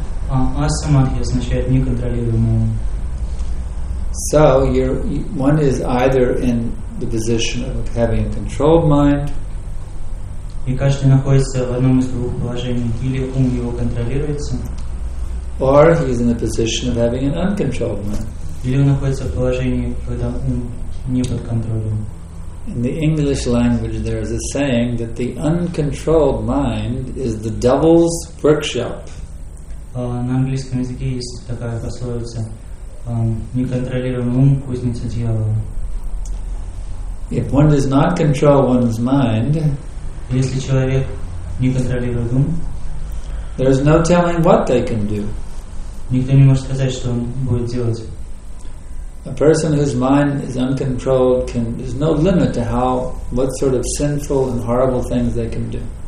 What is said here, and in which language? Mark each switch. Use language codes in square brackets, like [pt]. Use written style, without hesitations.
[ru] Asamadhi означает неконтролируемый ум. [en] So one is either in the position of having a controlled mind. [ru] И каждый находится в одном из двух положений: или ум его контролируется, [en] or he's in the position of having an uncontrolled mind. [ru] Или он находится в положении, когда ум не под контролем. [en] In the English language, there is a saying that the uncontrolled mind is the devil's workshop. [ru] На английском языке есть такая пословица: неконтролируемый ум – кузница дьявола. [en] If one does not control one's mind, [ru] если человек не контролирует ум, [en] there is no telling what they can do. [ru] Никто не может сказать, что он будет делать. [en] A person whose mind is uncontrolled there's no limit to what sort of sinful and horrible things they can do.